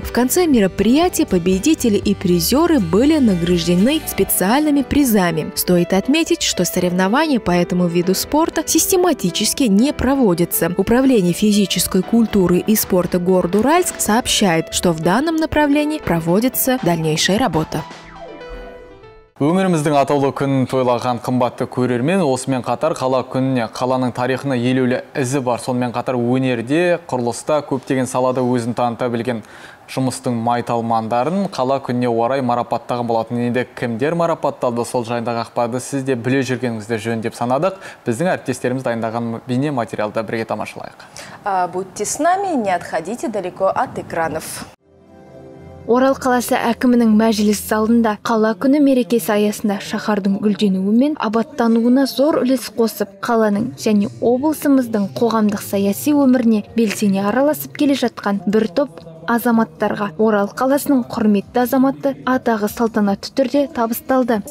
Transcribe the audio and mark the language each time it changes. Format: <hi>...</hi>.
<ru>В конце мероприятия победители и призеры были награждены специальными призами. Стоит отметить, что соревнования по этому виду спорта систематически не проводятся. Управление физической культуры и спорта города Уральск сообщает, что в данном направлении проводится дальнейшая работа.</ru> <kk>Өміріміздің атаулы күнін тойлаған қымбатты көрермен, осымен қатар қала күніне, қаланың тарихына елеулі ізі бар, сонымен қатар өнерде, құрылыста көптеген салада өзін таныта білген жұмыстың майталмандарын қала күніне орай марапаттаған болатын. Енді кімдер марапатталды, сол жайындағы ақпарды сіз де біле жүргеніңізді жөн деп санадық. Біздің әріптестеріміз дайындаған бейне материалды бірге тамашалайық.</kk> <ru>Будьте с нами, не отходите далеко от экранов.</ru> <kk>Орал қаласы әкімінің мәжіліс залында қала күні мерекесі аясында шаһардың гүлденуі мен абаттануына зор үлес қосып, қаланың және облысымыздың қоғамдық саяси өміріне белсене араласып келе жатқан бір топ азаматтарға Орал қаласының құрметті азаматы атағы салтанатты түрде табысталды.</kk>